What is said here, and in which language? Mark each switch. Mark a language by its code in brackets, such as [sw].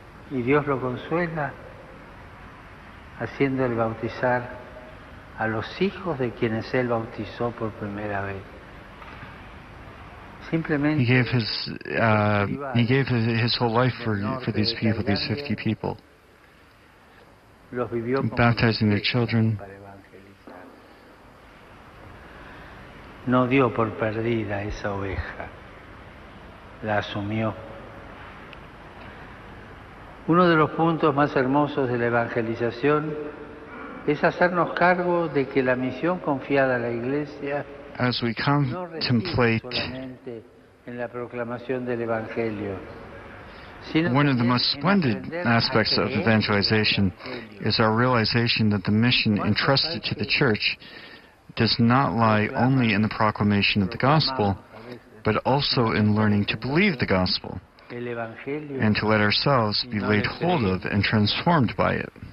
[es] Y Dios lo consuela haciendo el bautizar a los hijos de quienes él bautizó por primera vez. Simplemente. [en] He gave his whole life for these people, these 50 people. [es] Los vivió [en] baptizing their children. [es] No dio por perdida esa oveja. La asumió. Uno de los puntos más hermosos de la evangelización es hacernos cargo de que la misión confiada a la Iglesia [en] as we contemplate, [es] no reside en la proclamación del Evangelio. [en] One of the most splendid aspects of evangelization is our realization that the mission entrusted to the Church does not lie only in the proclamation of the Gospel, but also in learning to believe the Gospel and to let ourselves be laid hold of and transformed by it.